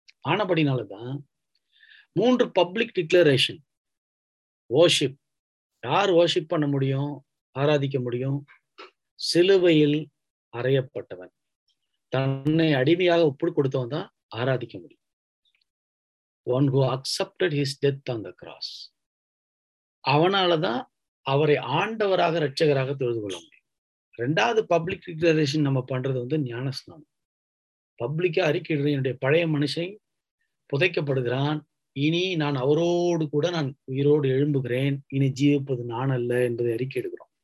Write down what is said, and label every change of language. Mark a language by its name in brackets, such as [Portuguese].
[Tamil] ஆனபடினாலதான் 3 [English] public declaration, worship, [Tamil] யார் வோர்ஷிப் பண்ண முடியும், ஆராதிக்க முடியும்? சிலுவையில் அறையப்பட்டவன், தன்னை அடிமையாக ஒப்புடு கொடுத்தவன் தான் ஆராதிக்க முடியும். [English] One who accepted his death on the cross. [Tamil] அவனாலதான் அவரை ஆண்டவராக இரட்சகராக தொழுது கொள்ள முடியும். 2வது [English] public declaration [Tamil] நம்ம பண்றது வந்து ஞானஸ்நானம். பப்ளிக்கா அறிக்கையிடுறது, என்னுடைய பழைய மனுஷன் புதைக்கப்படுகிறான், இனி நான் அவரோடு கூட நான் உயிரோடு எழும்புகிறேன், இனி ஜீவிப்பது நான் அல்ல என்பதை அறிக்கையிடுகிறோம்.